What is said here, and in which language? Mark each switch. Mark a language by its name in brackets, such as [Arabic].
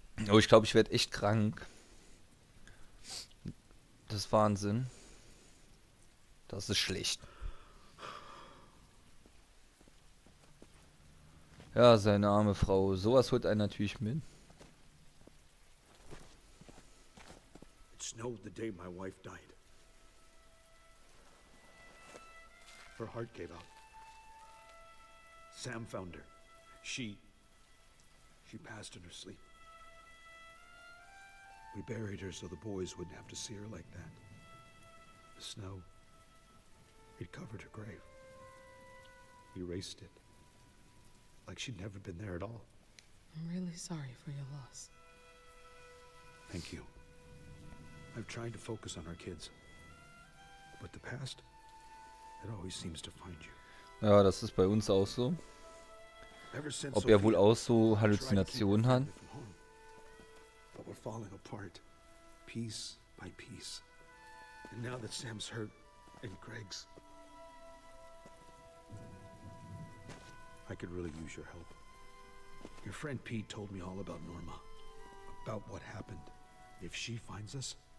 [German] Oh, ich glaube, ich werde echt krank. Das ist Wahnsinn. Das ist schlecht. Ja, seine arme Frau. Sowas holt einen natürlich mit. [English] Snowed the day my wife died. Her heart gave out. Sam found her. She passed in her sleep. We buried her so the boys wouldn't have to see her like that. The snow, it covered her grave. Erased it. Like she'd never been there at all. I'm really sorry for your loss. Thank you. I've tried to focus on our kids. But the past, it always seems to find you. [German] Ja, das ist bei uns auch so. Ob er wohl auch so Halluzinationen hat. [English] But we're falling apart, piece by piece. And now that Sam's hurt, and Greg's... I could really use your help. Your friend Pete told me all about Norma. About what happened. If she finds us...